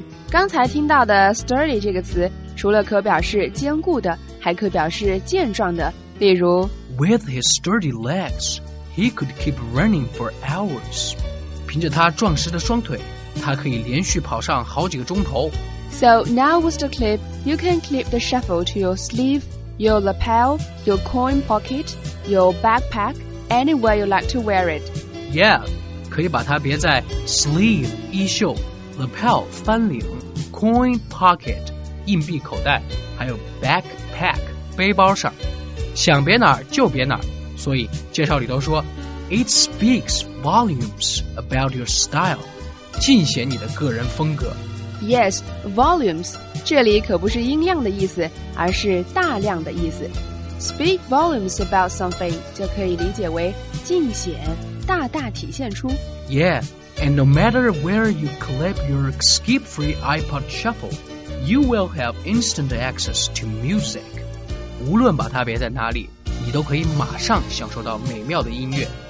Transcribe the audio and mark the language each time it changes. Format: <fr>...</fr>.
<zh>刚才听到的 sturdy 这个词除了可表示坚固的还可表示健壮的，例如</zh> <en>With his sturdy legs, he could keep running for hours.</en> <zh>凭着他壮实的双腿他可以连续跑上好几个钟头。</zh> <en>So now with the clip, you can clip the shuffle to your sleeve, your lapel, your coin pocket, your backpack,Anywhere you like to wear it.</en> <zh>Yeah, 可以把它别在 sleeve, 衣袖 lapel, 翻领 coin pocket, 硬币口袋还有 backpack, 背包上。想别哪儿就别哪儿。所以介绍里都说</zh> <en>It speaks volumes about your style,</en> <zh>尽显你的个人风格。 Yes, volumes, 这里可不是音量的意思而是大量的意思。</zh> <en>Speak volumes about something</en> <zh>就可以理解为尽显大大体现出。</zh> <en>Yeah, and no matter where you clip your skip-free iPod Shuffle, you will have instant access to music.</en> <zh>无论把它别在哪里，你都可以马上享受到美妙的音乐。</zh>